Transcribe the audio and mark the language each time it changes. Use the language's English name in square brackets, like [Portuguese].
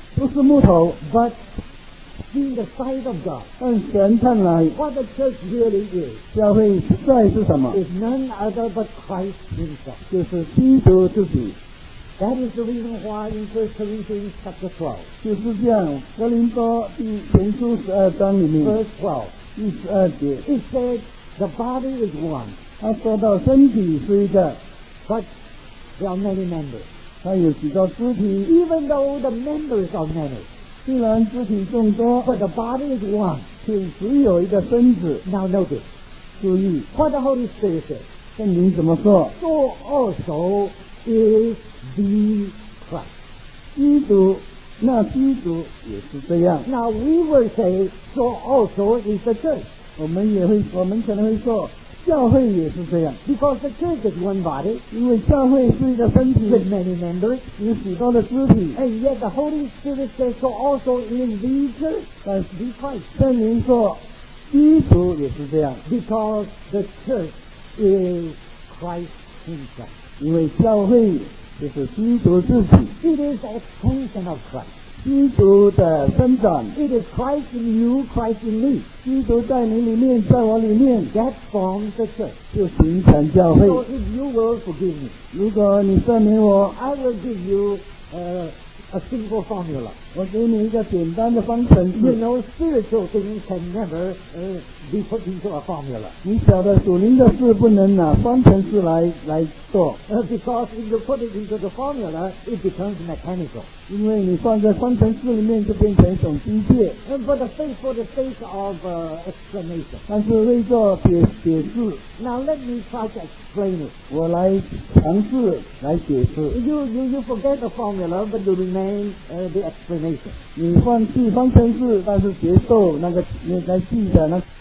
[Chinese] 都是木头 [English] But in the sight of God [Chinese] 但神看来 [English] What the church really is [Chinese] 教会实在是什么 [English] Is none other but Christ himself [Chinese] 就是基督自己 [English] That is the reason why in 1 Corinthians chapter 12. [Chinese] 就是这样，哥林多第前书十二章里面。 [English] Verse 12. [Chinese] 第十二节。 [English] It says the body is one. [Chinese] 他说到身体是一个。 [English] But there are many members. [Chinese] 他有几个肢体。 [English] Even though the members are many. [Chinese] 虽然肢体众多。 [English] But the body is one. [Chinese] 却只有一个身子。 [English] Now notice. [Chinese] 注意。 [English] What the Holy Spirit says. [Chinese] 圣灵怎么说 [English] ？So also is the Christ. [Chinese] 基督，那基督也是这样。 [English] Now we will say, so also is the church. [Chinese] 我们也会，我们可能会说，教会也是这样。 [English] Because the church is one body. [Chinese] 因为教会是一个身体。 [English] With many members. [Chinese] 有许多的肢体。 [English] And yet the Holy Spirit says, so also is the church. [Chinese] 但是 [English] the Christ. [Chinese] 圣灵说，基督也是这样。 [English] Because the church is Christ himself. [Chinese] 因为教会就是基督自己 [English] It is the extension of Christ [Chinese] 基督的生长 [English] It is Christ in you, Christ in me [Chinese] 基督在你里面在我里面 [English] That forms the church [Chinese] 就形成教会 [English] So if you will forgive me [Chinese] 如果你赦免我 [English] I will give you a simple formula [Chinese] 我给你一个简单的方程式 [English] You know spiritual things can never be put into a formula [Chinese] 你晓得属灵的事不能拿方程式来做 [English] Because if you put it into the formula it becomes mechanical [Chinese] 因为你放在方程式里面就变成一种机械 [English] But for the sake of explanation [Chinese] 但是为做解释 [English] Now let me try to explain it [Chinese] 我来尝试来解释 [English] You forget the formula but you remain the explanation [Chinese] 你放弃方程式但是接受那个你来记得那